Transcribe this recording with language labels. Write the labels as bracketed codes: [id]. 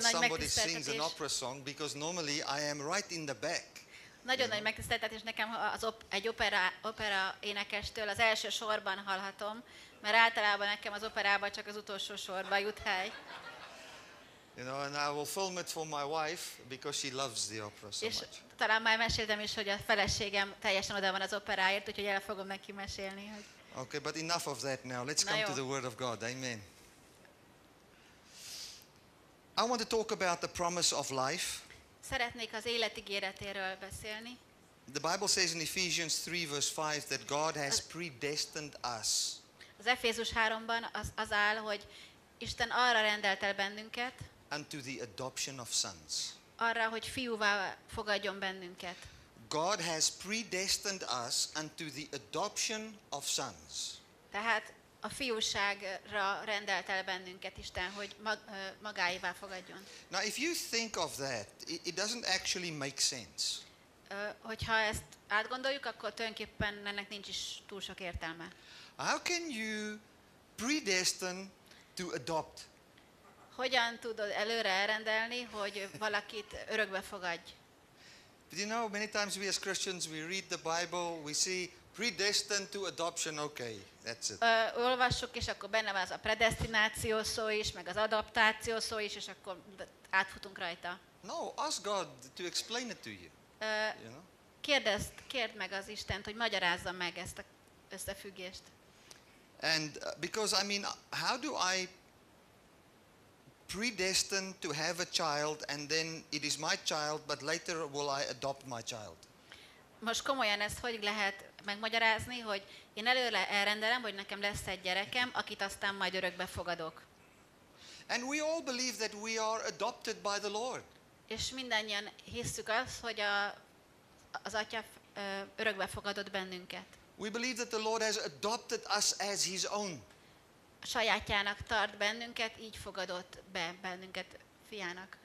[en] somebody sings an opera song, because normally I am right in the back. [hu] Nagyon nagy megtiszteltetés nekem, ha az egy opera énekestől az első sorban hallhatom, mert általában nekem az operában csak az utolsó sorban jut hely. [en] You know, and I will film it for my wife because she loves the opera so much. [hu] Talán már meséltem is, hogy a feleségem teljesen oda van az operáért, úgyhogy el fogom neki mesélni. [en] Okay, but enough of that now. Let's come to the Word of God. Amen. I want to talk about the promise of life. [hu] Szeretnék az életigéretéről beszélni. [en] The Bible says in Ephesians 3 verse 5 that God has predestined us. [hu] Az Efézus 3-ban az áll, hogy Isten arra rendelt el bennünket. [en] Unto the adoption of sons. [hu] Arra, hogy fiúvá fogadjon bennünket. [en] God has predestined us unto the adoption of sons. [hu] Tehát a fiúságra rendelt el bennünket Isten, hogy magáévá fogadjon. [en] Now if you think of that, it doesn't actually make sense. [hu] Hogyha ezt átgondoljuk, akkor tulajdonképpen ennek nincs is túl sok értelme. [en] How can you predestine to adopt? [hu] Hogyan tudod előre elrendelni, hogy valakit örökbe fogadj? [en] But you know, many times we as Christians, we read the Bible, we see predestined to adoption, okay, that's it. [hu] Olvassuk, és akkor benne van az a predestináció szó is, meg az adaptáció szó is, és akkor átfutunk rajta. [en] No, ask God to explain it to you. [hu] Kérd meg az Istent, hogy magyarázza meg ezt az összefüggést. [en] And because, I mean, how do I predestined to have a child and then it is my child, but later will I adopt my child? [hu] Most komolyan ezt hogy lehet megmagyarázni, hogy én előre elrendelem, hogy nekem lesz egy gyerekem, akit aztán majd örökbe fogadok. [en] And we all believe that we are adopted by the Lord. [hu] És mindannyian hisszük azt, hogy az Atya örökbe fogadott bennünket. [en] We believe that the Lord has adopted us as his own. [hu] Sajátjának tart bennünket, így fogadott be bennünket fiának.